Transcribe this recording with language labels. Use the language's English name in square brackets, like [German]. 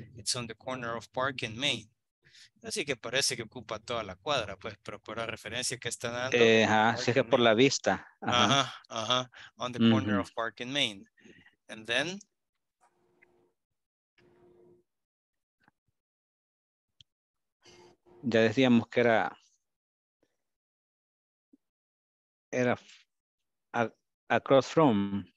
[English] It's on the corner of Park and Main. [Spanish] Así que parece que ocupa toda la cuadra, pues, pero por la referencia que está dando. Ajá. Sí, que por la vista. Ajá. Ajá. Ajá. [English] On the corner of Park and Main. And then. [Spanish] Ya decíamos que era across from.